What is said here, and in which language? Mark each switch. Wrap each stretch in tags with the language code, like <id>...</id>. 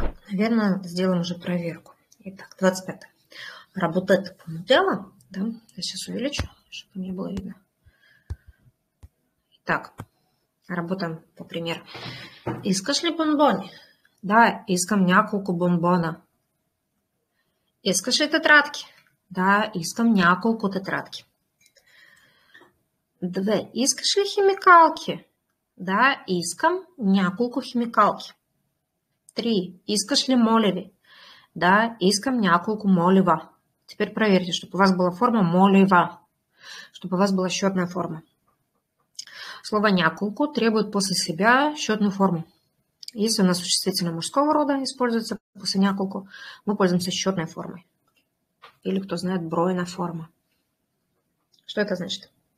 <ru>Наверное, сделаем уже проверку. Итак, 25. Работает по моделу. Да? Я сейчас увеличу, чтобы мне было видно. Итак, работаем, по примеру.</ru> <bg>Искаш ли бонбони? Да, искам няколко бонбона. Искаш ли тетрадки? Да, искам няколко тетрадки. Две. Искаш ли химикалки? Да, искам няколко химикалки. Три. Искаш ли моливи? Да, искам няколко молива.</bg> <ru>Теперь проверьте, чтобы у вас была форма молива. Чтобы у вас была счетная форма. Слово няколко требует после себя счетную форму. Если у нас существительное мужского рода используется после няколко, мы пользуемся счетной формой. Или кто знает, бройная форма. Что это значит?</ru>